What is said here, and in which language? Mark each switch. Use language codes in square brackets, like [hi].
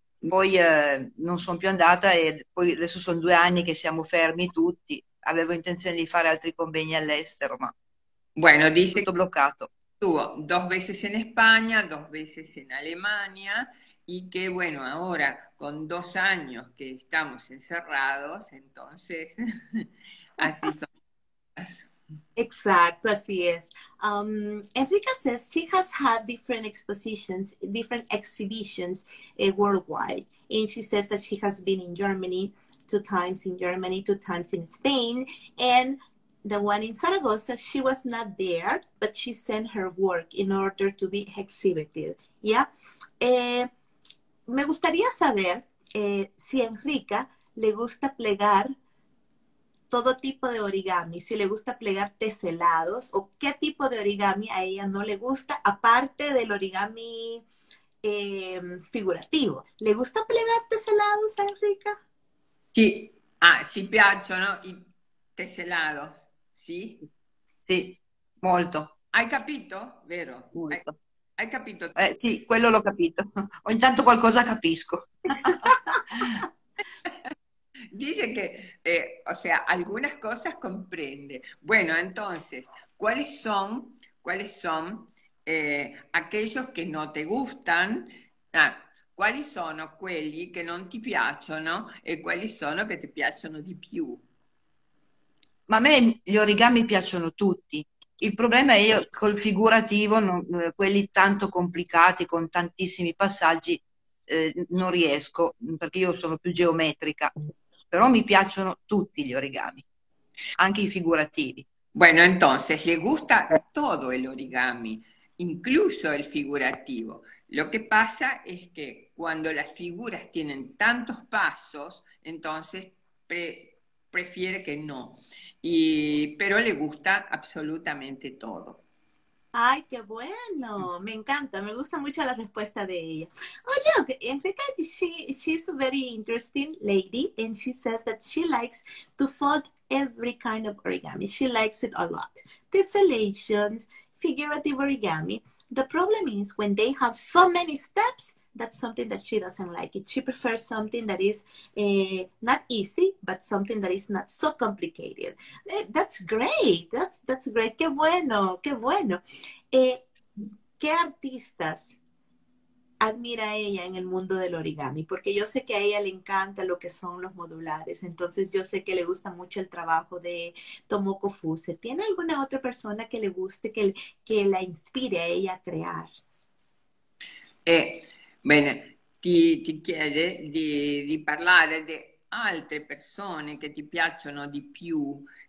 [it] Poi non sono più andata e poi adesso sono 2 anni che siamo fermi tutti. Avevo intenzione di fare altri convegni all'estero, ma [es] Bueno, [it] è [es] dice [it] tutto bloccato. [es] tuvo dos veces en España, dos veces en Alemania y que bueno, ahora con 2 años que estamos encerrados, entonces así son. Exacto, así es. [en] Enrica says she has had different expositions, different exhibitions worldwide. And she says that she has been in Germany 2 times, in Germany 2 times, in Spain. And the one in Zaragoza, she was not there, but she sent her work in order to be exhibited. Yeah. [es] Me gustaría saber si a Enrica le gusta plegar todo tipo de origami, si le gusta plegar teselados o qué tipo de origami a ella no le gusta, aparte del origami figurativo. ¿Le gusta plegarte helados, Enrica? [it] Sí, ah, sí, piacciono i tesselados, sì? Sì, molto. Hai capito, vero? Molto. Hai capito? Sì, quello l'ho capito. Intanto qualcosa capisco. [es] Dice que, o sea, algunas cosas comprende. Bueno, entonces, ¿cuáles son aquellos que no te gustan? Ah, ¿cuáles son [it] quelli [es] que no te piacciono y cuáles son los que te [it] piacciono de più? Ma a me gli origami piacciono tutti. Il problema è io col figurativo, non, quelli tanto complicati con tantissimi passaggi, non riesco perché io sono più geometrica. Però mi piacciono tutti gli origami, anche i figurativi. [es] Bueno, entonces le gusta todo el origami, incluso el figurativo. Lo que pasa es que cuando las figuras tienen tantos pasos, entonces prefiere que no. Pero le gusta absolutamente todo. Ay, qué bueno, me encanta, me gusta mucho la respuesta de ella. [en] Oh, look, Enrica, she's a very interesting lady and she says that she likes to fold every kind of origami. She likes it a lot. Tessellations, figurative origami. The problem is when they have so many steps, that's something that she doesn't like it. She prefers something that is not easy, but something that is not so complicated. That's great. That's great. [es] Qué bueno, qué bueno. ¿Qué artistas admira ella en el mundo del origami? Porque yo sé que a ella le encanta lo que son los modulares. Entonces yo sé que le gusta mucho el trabajo de Tomoko Fuse. ¿Tiene alguna otra persona que le guste, que la inspire a ella a crear? [it] Bene, ti chiede di parlare di altre persone che ti piacciono di più.